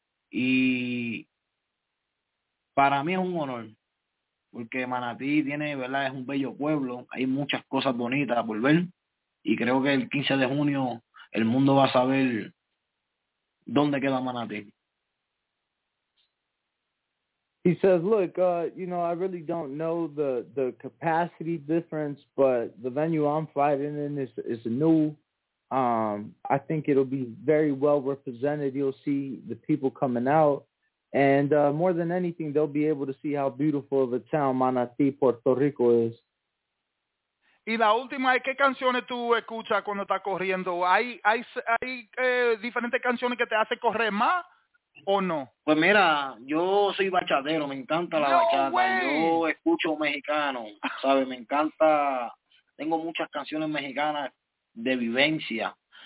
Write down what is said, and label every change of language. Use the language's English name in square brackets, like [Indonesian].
[Spanish] Y para mí es un honor, porque Manatí tiene, ¿verdad?, es un bello pueblo, hay muchas cosas bonitas por ver, y creo que el 15 de junio el mundo va a saber dónde queda Manatí. [English] He says, look, you know, I really don't know the capacity difference, but the venue I'm fighting in is new. I think it'll be very well represented. You'll see the people coming out. And more than anything, they'll be able to see how beautiful the town Manatí, Puerto Rico is. [Spanish] Y la última es, ¿qué canciones tú escuchas cuando estás corriendo? ¿Hay diferentes canciones que te hacen correr más o no? Pues mira, yo soy bachatero, me encanta la bachata. Yo escucho mexicano, ¿sabes? Me encanta, tengo muchas canciones mexicanas de vivencia.